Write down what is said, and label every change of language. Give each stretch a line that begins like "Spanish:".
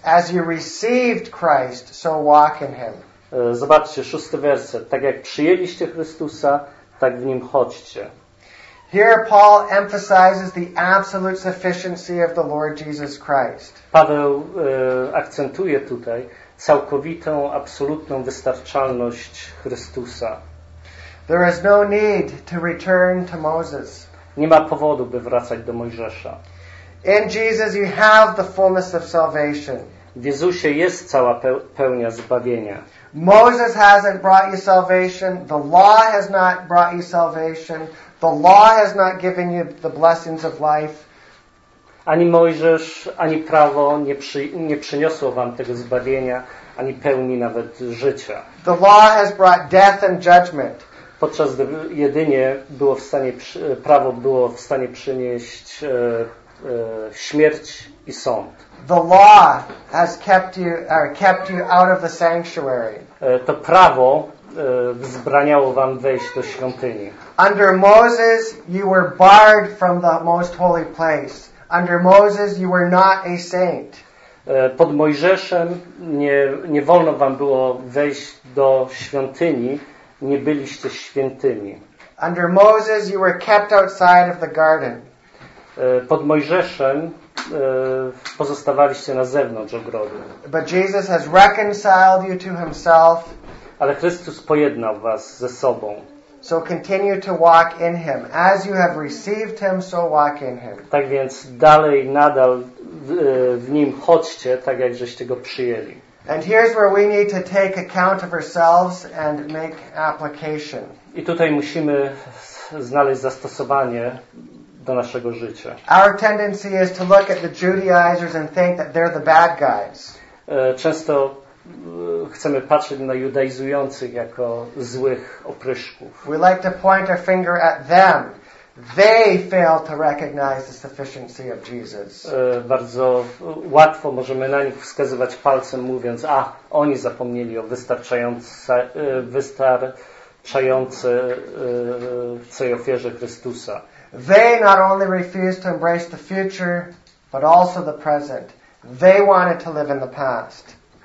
English: As you received Christ, so walk in him.
Polish: Zobaczcie, szósty werset. Tak jak przyjęliście Chrystusa, tak w nim chodźcie.
English: Here Paul emphasizes the absolute sufficiency of the Lord Jesus Christ.
Polish: Paweł akcentuje tutaj całkowitą, absolutną wystarczalność Chrystusa.
English: There is no need to return to Moses.
Polish: Nie ma powodu, by wracać do Mojżesza.
English: In Jesus you have the fullness of salvation.
Polish: W Jezusie jest cała pełnia zbawienia.
English: Moses hasn't brought you salvation. The law has not brought you salvation. The law has not given you the blessings of life.
Polish: Ani Mojżesz, ani prawo nie przyniosło wam tego zbawienia, ani pełni nawet życia.
English: The law has brought death and judgment.
Polish: Podczas gdy jedynie było w stanie, prawo było w stanie przynieść śmierć i sąd.
English: The law has kept you out of the sanctuary.
Polish: To prawo wzbraniało wam wejść do świątyni.
English: Under Moses you were barred from the most holy place. Under Moses you were not a saint.
Polish: Pod Mojżeszem nie wolno wam było wejść do świątyni. Nie byliście świętymi.
English: Under Moses you were kept outside of the garden.
Polish: Pod Mojżeszem pozostawaliście na zewnątrz ogrodu.
English: But Jesus has reconciled you to himself.
Polish: Ale Chrystus pojednał was ze sobą.
English: So continue to walk in him. As you have received him, so walk in him.
Polish: Tak więc dalej, nadal w nim chodźcie, tak jak żeście go przyjęli.
English: And here's where we need to take account of ourselves and make application.
Polish: I tutaj musimy znaleźć zastosowanie do naszego życia.
English: Our tendency is to look at the Judaizers and think that they're the bad guys.
Polish: Często chcemy patrzeć na judaizujących jako złych opryszków.
English: We like to point our finger at them. They fail to recognize the sufficiency of Jesus.
Polish: Bardzo łatwo możemy na nich wskazywać palcem, mówiąc, oni zapomnieli o wystarczającej sprzątające w całej ofierze Chrystusa.
English: They not only refused to embrace the future, but also the present. They wanted to live in the past.